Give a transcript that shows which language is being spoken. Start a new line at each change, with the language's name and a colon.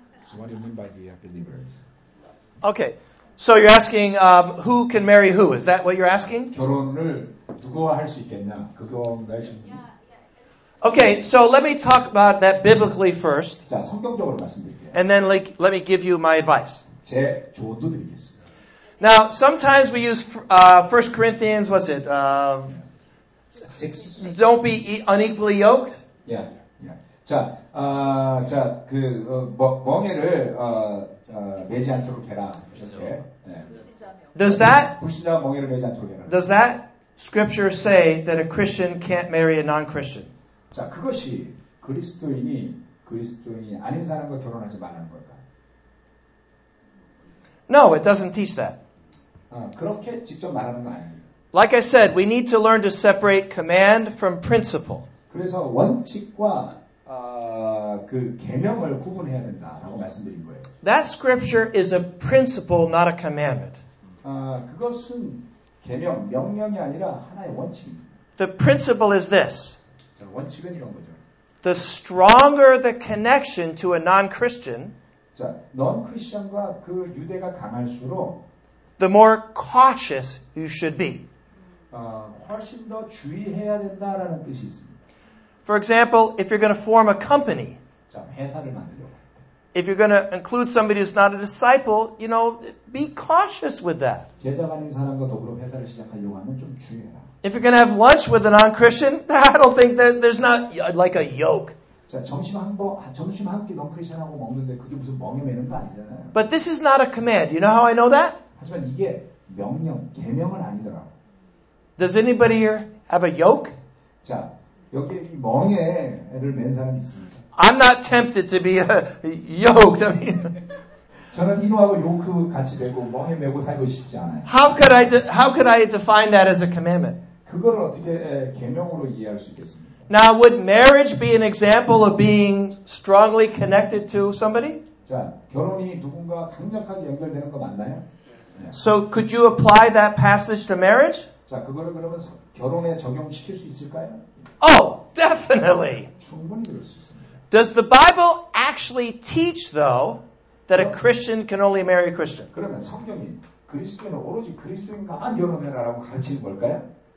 English: So what do you mean by the believers? Okay. So you're asking who can marry who? Is that what you're asking?
Korean: 결혼을 누구와 할 수 있겠냐? 그거 말씀.
English: Okay, so let me talk about that biblically first.
Korean: 자, 성경적으로 말씀드릴게요.
English: And then like, let me give you my advice.
Korean: 제 조언도 드리겠습니다.
English: Now, sometimes we use 1 Corinthians, what's it? 6. Don't be unequally yoked. Yeah, yeah.
Korean: 자, 자, 그 멍에를 매지 않도록 해라. 그렇죠. 네.
English: Does that
Korean: 멍에를 매지 않도록 해라.
English: Does that scripture say that a Christian can't marry a non-Christian?
Korean: 자, 그것이 그리스도인이 그리스도인이 아닌 사람과 결혼하지 말라는 걸까?
English: No, it doesn't teach that.
Korean: 그렇게 직접 말하는 거 아니에요.
English: Like I said, we need to learn to separate command from principle.
Korean: 그래서 원칙과 그 계명을 구분해야 된다라고 말씀드린 거예요.
English: That scripture is a principle, not a commandment.
Korean: 그것은 계명, 명령이 아니라 하나의 원칙입니다.
English: The principle is this.
Korean: 원칙은 이런 거죠.
English: The stronger the connection to a non-Christian,
Korean: 자, non-Christian과 그 유대가 강할수록
English: the more cautious you should be.
Korean: 훨씬 더 주의해야 된다라는 뜻이 있습니다.
English: For example, if you're going to form a company,
Korean: 자, 회사를 만들려.
English: If you're going to include somebody who's not a disciple, you know, be cautious with that.
Korean: 제자가 아닌 사람과 더불어 회사를 시작하려고 하면 좀 주의해라.
English: If you're going to have lunch with a non-Christian, I don't think that there's not like a yoke.
Korean: 자, 점심 한 끼 non-Christian하고 먹는데 그게 무슨 멍에 매는 거 아니잖아요.
English: But this is not a command. You know how I know that?
Korean: 하지만 이게 명령, 계명은 아니더라고.
English: Does anybody here have a yoke?
Korean: 자, 여기 이 멍에를 맨 사람이 있습니다.
English: I'm not tempted to be yoked. I mean,
Korean: 저는 인우하고 요크 같이 되고 멍에 메고 살고 싶지 않아요.
English: How could I define that as a commandment?
Korean: 그걸 어떻게 계명으로 이해할 수 있겠습니까?
English: Now, would marriage be an example of being strongly connected to somebody?
Korean: 자, 결혼이 누군가 강력하게 연결되는 거 맞나요?
English: So, could you apply that passage to marriage?
Korean: 자, 그거를 그러면 결혼에 적용시킬 수 있을까요?
English: Oh, definitely.
Korean: 충분히 그럴 수 있습니다.
English: Does the Bible actually teach, though, that a Christian can only marry a Christian?
Korean: 그러면 성경이 그리스도인은 오로지 그리스도인과만 결혼해라라고 가르치는 걸까요?